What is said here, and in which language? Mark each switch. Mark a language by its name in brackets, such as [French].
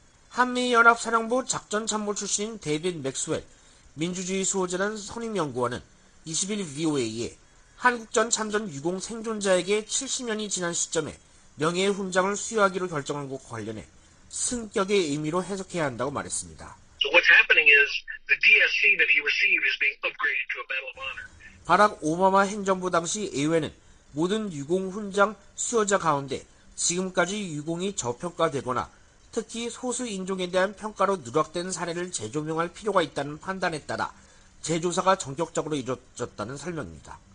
[Korean] 한미연합사령부 작전참모 출신 데이빗 맥스웰, 민주주의 수호자는 선임연구원은 21 VOA에 한국전 참전 유공 생존자에게 70년이 지난 시점에 명예의 훈장을 수여하기로 결정한 것 관련해 승격의 의미로 해석해야 한다고 말했습니다. [English] So what's happening is the DSC that he received is being upgraded to a Medal of Honor. [Korean] 바락 오바마 행정부 당시 의회는 모든 유공 훈장 수여자 가운데 지금까지 유공이 저평가되거나 특히 소수 인종에 대한 평가로 누락된 사례를 재조명할 필요가 있다는 판단에 따라 재조사가 전격적으로 이루어졌다는 설명입니다.